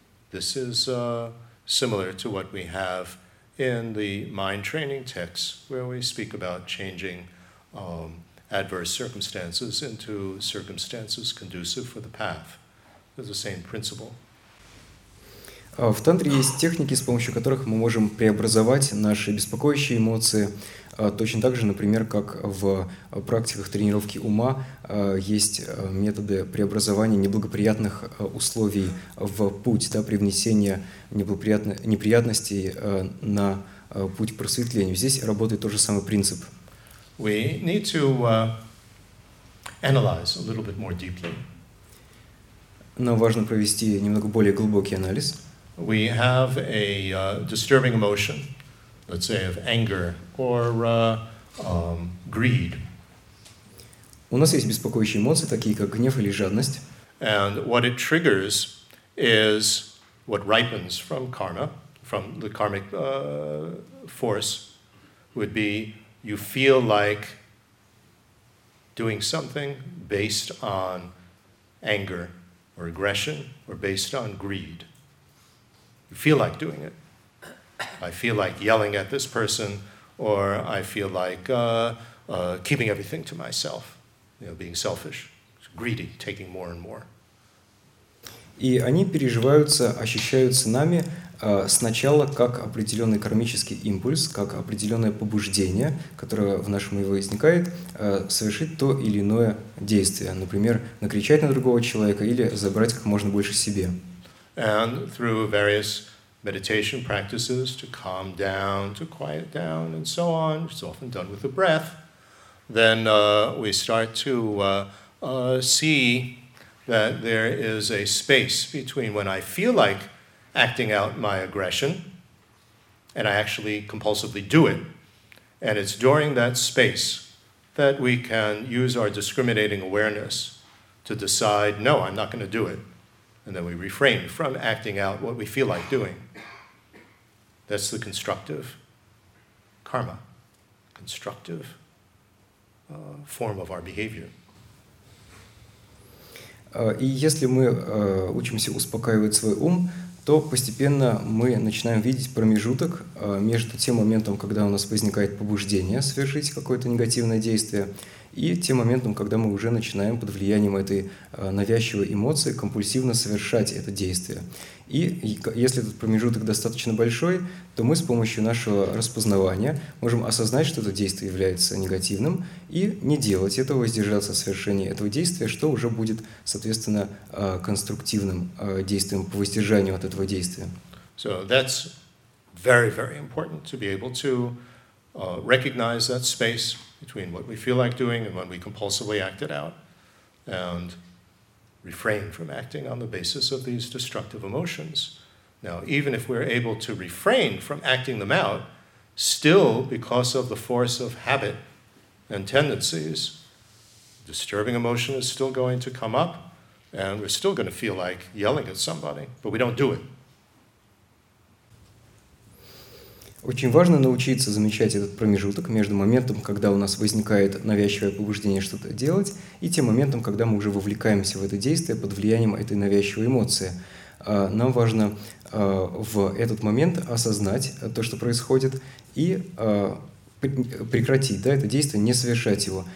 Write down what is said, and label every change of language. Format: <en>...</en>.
<en>This is similar to what we have in the mind training texts, where we speak about changing adverse circumstances into circumstances conducive for the path. It's the same principle.</en> <ru>В тантре есть техники, с помощью которых мы можем преобразовать наши беспокоящие эмоции. Точно так же, например, как в практиках тренировки ума есть методы преобразования неблагоприятных условий в путь, да, привнесения неприятностей на путь к просветлению. Здесь работает тот же самый принцип.</ru> <en>We need to analyze a little bit more deeply.</en> <ru>Нам важно провести немного более глубокий анализ.</ru> <en>We have a disturbing emotion, let's say of anger or greed.</en> <ru>У нас есть беспокоящие эмоции, такие как гнев или жадность.</ru> <en>And what it triggers is what ripens from karma, from the karmic force, would be you feel like doing something based on anger or aggression or based on greed. You feel like doing it. I feel like yelling at this person, or I feel like keeping everything to myself, you know, being selfish, greedy, taking more and more.</en> <ru>И они переживаются, ощущаются нами сначала как определенный кармический импульс, как определенное побуждение, которое в нашем его возникает, совершить то или иное действие. Например, накричать на другого человека или забрать как можно больше себе.</ru> <en>And through various meditation practices to calm down, to quiet down, and so on, it's often done with the breath, then we start to see that there is a space between when I feel like acting out my aggression and I actually compulsively do it. And it's during that space that we can use our discriminating awareness to decide, no, I'm not going to do it. And then we refrain from acting out what we feel like doing. That's the constructive karma, constructive form of our behavior.</en> <ru>И если мы учимся успокаивать свой ум, то постепенно мы начинаем видеть промежуток между тем моментом, когда у нас возникает побуждение совершить какое-то негативное действие, и тем моментом, когда мы уже начинаем под влиянием этой навязчивой эмоции компульсивно совершать это действие. И если этот промежуток достаточно большой, то мы с помощью нашего распознавания можем осознать, что это действие является негативным, и не делать этого, воздержаться от совершения этого действия, что уже будет, соответственно, конструктивным действием по воздержанию от этого действия.</ru> <en>So that's very, very important to be able to recognize that space between what we feel like doing and when we compulsively act it out, and refrain from acting on the basis of these destructive emotions. Now, even if we're able to refrain from acting them out, still, because of the force of habit and tendencies, disturbing emotion is still going to come up, and we're still going to feel like yelling at somebody, but we don't do it.</en> <ru>Очень важно научиться замечать этот промежуток между моментом, когда у нас возникает навязчивое побуждение что-то делать, и тем моментом, когда мы уже вовлекаемся в это действие под влиянием этой навязчивой эмоции. Нам важно в этот момент осознать то, что происходит, и прекратить, да, это действие, не совершать его.</ru>